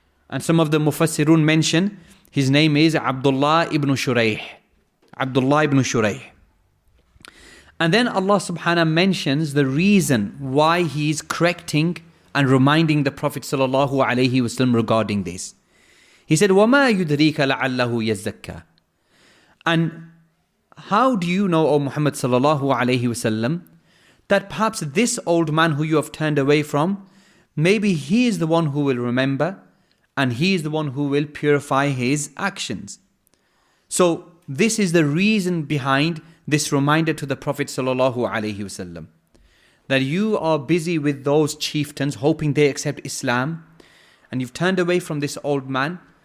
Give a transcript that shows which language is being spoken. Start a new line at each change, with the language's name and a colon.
English: And some of the Mufassirun mention his name is Abdullah ibn Shuraih. Abdullah ibn Shuraih. And then Allah subhanahu mentions the reason why he is correcting and reminding the Prophet sallallahu alayhi wasallam regarding this. He said,
Arabic: وَمَا يُدْرِيكَ لَعَلَّهُ يَزَّكَّى.
English: And how do you know, O Muhammad sallallahu alayhi wasallam, that perhaps this old man who you have turned away from, maybe he is the one who will remember and he is the one who will purify his actions. So this is the reason behind this reminder to the Prophet sallallahu alayhi wasallam, that you are busy with those chieftains hoping they accept Islam and you've turned away from this old man.